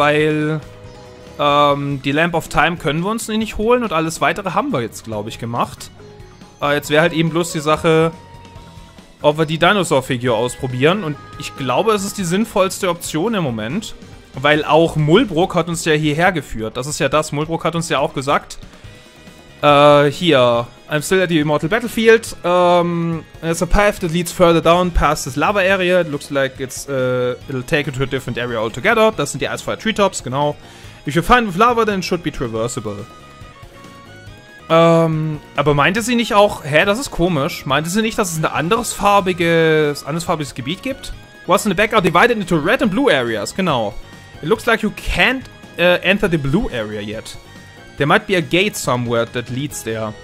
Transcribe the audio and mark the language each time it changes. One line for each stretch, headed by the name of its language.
German: Weil die Lamp of Time können wir uns nicht holen und alles weitere haben wir jetzt, glaube ich, gemacht. Jetzt wäre halt eben bloß die Sache, ob wir die Dinosaur-Figur ausprobieren. Und ich glaube, es ist die sinnvollste Option im Moment. Weil auch Mulbrook hat uns ja hierher geführt. Das ist ja das, Mulbrook hat uns ja auch gesagt.
English: Hier, I'm still at the Immortal Battlefield, there's a path that leads further down past this lava area, it looks like it'll take it to a different area altogether, das sind die Icefire Treetops, genau. If you're fine with lava, then it should be traversable.
German: Aber meinte sie nicht auch, das ist komisch, meinte sie nicht, dass es ein andersfarbiges Gebiet gibt?
English: What's in the back are divided into red and blue areas, genau. It looks like you can't enter the blue area yet. There might be a gate somewhere that leads there.